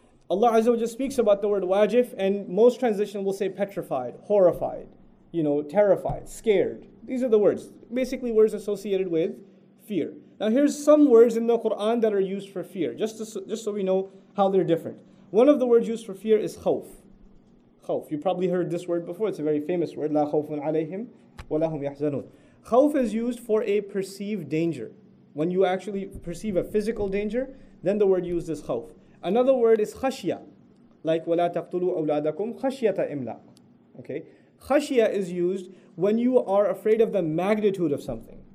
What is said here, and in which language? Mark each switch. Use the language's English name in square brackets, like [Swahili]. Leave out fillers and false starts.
[English] Allah Azza wa Jalla speaks about the word wajif, and most translations will say petrified, horrified. terrified, scared. These are the words, basically words associated with fear. Now here's some words in the Quran that are used for fear, just so we know how they're different. One of the words used for fear is khawf. Khawf, you probably heard this word before, it's a very famous word. [Arabic] لا خوفٌ عليهم ولا هم يحزنون. [English] Khawf is used for a perceived danger. When you actually perceive a physical danger, then the word used is khawf. Another word is khashya, like [Arabic] وَلَا تَقْتُلُوا أَوْلَادَكُمْ خَشْيَةَ إِمْلَاقُ. [English] Okay, khashya is used when you are afraid of the magnitude of something.